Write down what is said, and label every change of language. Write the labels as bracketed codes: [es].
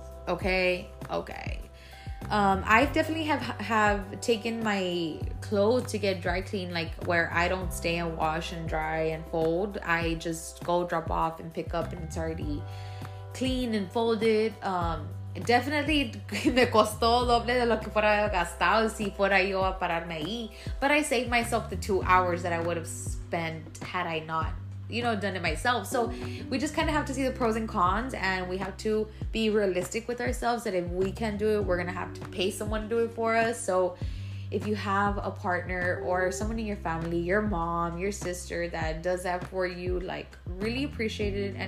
[en] Okay? Okay. I definitely have taken my clothes to get dry cleaned, like where I don't stay and wash and dry and fold. I just go drop off and pick up and it's already clean and folded. [es] Definitely me costó doble de lo que fuera gastado si fuera yo a pararme ahí. [en] But I saved myself the 2 hours that I would have spent had I not, you know, done it myself. So we just kind of have to see the pros and cons, and we have to be realistic with ourselves that if we can do it, we're gonna have to pay someone to do it for us. So if you have a partner or someone in your family, your mom, your sister, that does that for you, like, really appreciate it.